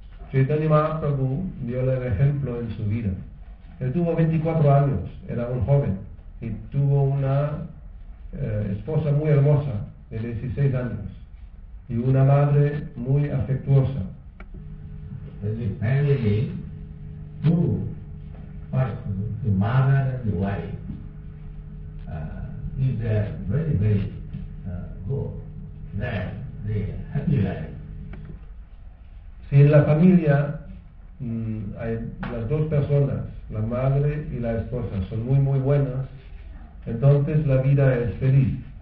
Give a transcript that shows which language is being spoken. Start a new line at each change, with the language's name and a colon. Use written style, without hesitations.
Spanish: Chaitanya Mahaprabhu dio el ejemplo en su vida. Él tuvo 24 años, era un joven, y tuvo una esposa muy hermosa, de 16 años, y una madre muy afectuosa.
English: In the family, two persons, the mother and the wife, is very, very good. Then the happy life.
Spanish: Si en la familia hay las dos personas, la madre y la esposa, son muy muy buenas, entonces la vida es feliz.